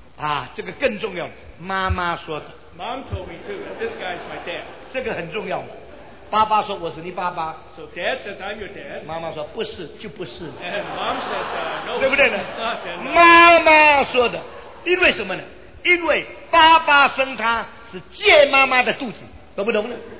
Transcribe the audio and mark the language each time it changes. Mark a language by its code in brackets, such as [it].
[zh] 所以两分钟，他几十年的信仰就动摇了，你懂吗？所以他从前一直相信他爸是他爸爸，我一讲了他现在就动摇了。所以呢，我是使人怀疑的，不是使人信任，很危险。有没有这个可能呢？除了你爸爸告诉你他是爸爸，啊，这个更重要，妈妈说的。 [en] Mom told me too that this guy is my dad. [zh] 这个很重要，爸爸说我是你爸爸。 [en] So dad says I'm your dad. [zh] 妈妈说不是就不是。 [en] And mom says no. [zh] 对不对呢？ [en] So it's not, no. [zh] 妈妈说的， 因为什么呢？因为爸爸生他是借妈妈的肚子， 懂不懂呢？